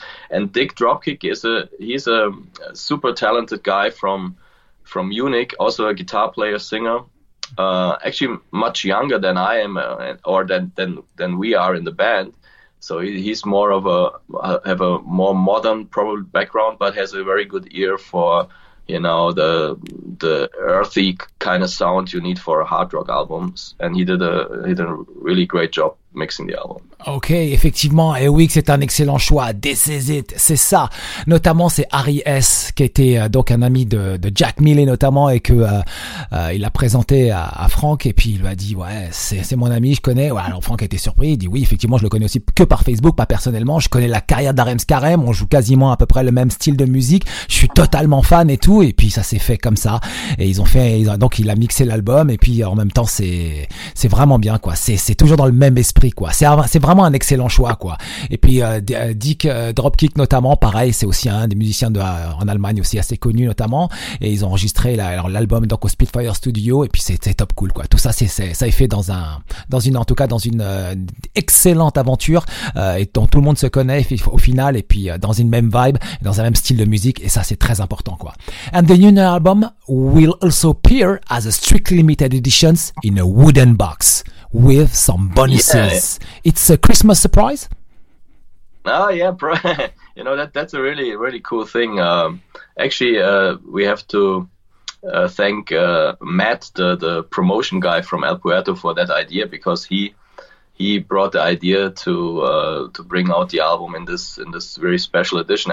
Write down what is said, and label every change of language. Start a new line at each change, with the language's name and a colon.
English: And Dick Dropkick is a super talented guy from Munich, also a guitar player, singer, actually much younger than I am, or than we are in the band. So he's more of have a more modern probably background, but has a very good ear for, you know, the earthy kind of sound you need for a hard rock album. And he did a really great job mixing the album.
French: Okay, effectivement, et oui, c'est un excellent choix.
English: This is it,
French: c'est ça. Notamment, c'est Harry S qui était donc un ami de Jack Miller, notamment, et que il a présenté à Frank, et puis il lui a dit, ouais, c'est mon ami, je connais. Ouais, alors Frank a été surpris, il dit oui, effectivement, je le connais aussi que par Facebook, pas personnellement. Je connais la carrière d'Harem Scarem, on joue quasiment à peu près le même style de musique. Je suis totalement fan et tout, et puis ça s'est fait comme ça. Et donc il a mixé l'album, et puis en même temps, c'est vraiment bien, quoi. C'est toujours dans le même esprit, quoi. C'est vraiment un excellent choix, quoi. Et puis Dick Dropkick, notamment, pareil, c'est aussi un des musiciens en Allemagne aussi assez connu, notamment, et ils ont enregistré l'album donc au Spitfire Studio, et puis c'est top cool, quoi. Tout ça, ça est fait dans une excellente aventure, et dont tout le monde se connaît au final, et puis dans une même vibe, dans un même style de musique, et ça, c'est très important, quoi.
English: And the new album will also appear as a strictly limited editions in a wooden box with some bonuses. Yeah. It's a Christmas surprise. Oh yeah, bro. You know, that's a really, really cool thing. We have to thank Matt, the promotion guy from El Puerto, for that idea, because he brought the idea to bring out the album in this very special edition.